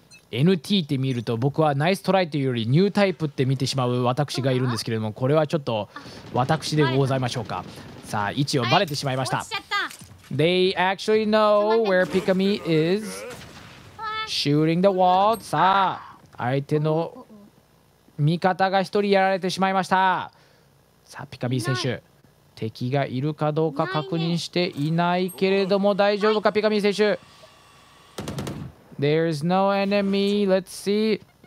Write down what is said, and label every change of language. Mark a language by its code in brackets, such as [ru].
[ja] NT って見ると僕はナイストライというよりニュータイプって見てしまう私がいるんですけれども、これはちょっと私でございましょうか。さあ位置をバレてしまいました。 [en] They actually know where Pikamee is shooting the wall。 [ja] さあ相手の味方が一人やられてしまいました。さあピカミー選手敵がいるかどうか確認していないけれども大丈夫か、ピカミー選手 [en] There's no enemy, let's see。